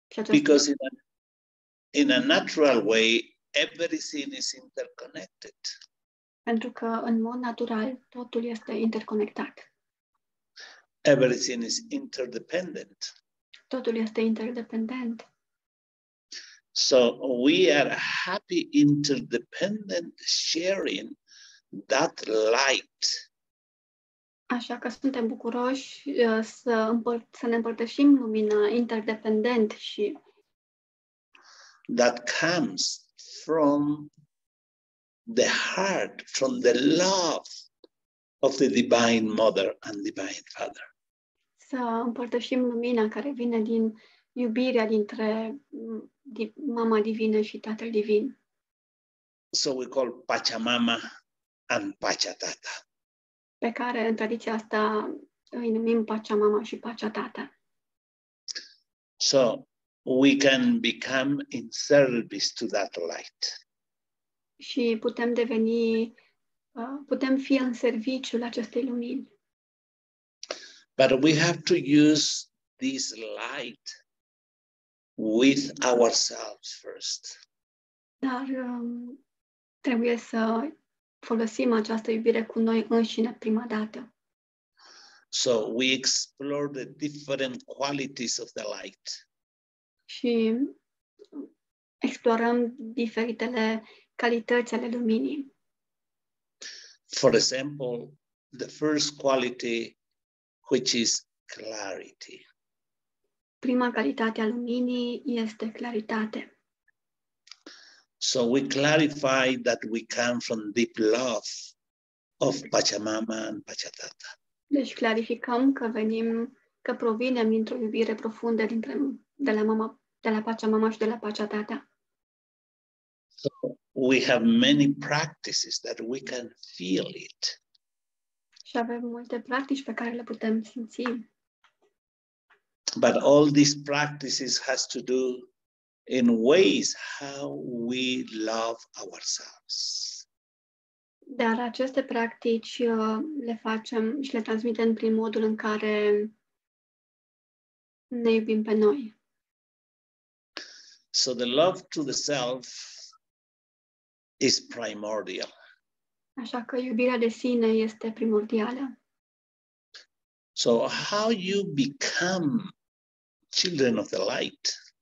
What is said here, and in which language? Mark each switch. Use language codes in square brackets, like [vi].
[en] Because in a natural way, everything is interconnected. [ro] Pentru că în mod natural totul este interconectat. [en] Everything is interdependent. [ro] Totul este interdependent. [en] So we are happy interdependent sharing that light. [ro] Așa că suntem bucuroși să ne împărtășim lumina interdependent și [en] that comes from the heart, from the love of the Divine Mother and Divine Father. [ro] Să împărtășim lumina care vine din iubirea dintre Mama Divină și Tatăl Divin. [en] So we call Pachamama and Pachatata. [ro] Pe care în tradiția asta îi numim Pachamama și Pachatata. [en] So we can become in service to that light. [ro] Și putem deveni, putem fi în serviciul acestei lumini. [en] But we have to use this light with ourselves first. [ro] Dar trebuie să folosim această iubire cu noi înșine prima dată. [en] So we explore the different qualities of the light. [ro] Și explorăm diferitele calități ale luminii. [en] For example, the first quality, which is clarity. [ro] Prima calitate a luminii este claritate. [en] So we clarify that we come from deep love of Pachamama and Pachatata. [ro] Deci clarificăm că venim, că provinem dintr-o iubire profundă dintre, de la mama, de la Pachamama și de la Pachatata. [en] So we have many practices that we can feel it. [ro] Și avem multe practici pe care le putem simți. [en] But all these practices has to do in ways how we love ourselves. [ro] Dar aceste practici le facem și le transmitem prin modul în care ne iubim pe noi. [en] So the love to the self is primordial. [ro] Așa că iubirea de sine este primordială. [en] So how you become children of the light?